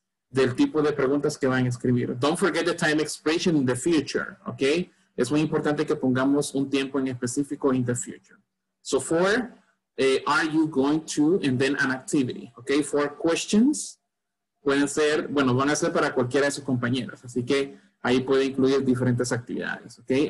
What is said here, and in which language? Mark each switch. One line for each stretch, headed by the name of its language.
Spanish: Del tipo de preguntas que van a escribir.
English: Don't forget the time expression in the future, okay?
Spanish: Es muy importante que pongamos un tiempo en específico
English: in the future. So four, are you going to, and then an activity, okay? Four questions.
Spanish: Pueden ser, bueno, van a ser para cualquiera de sus compañeros, así que ahí puede incluir diferentes actividades, okay?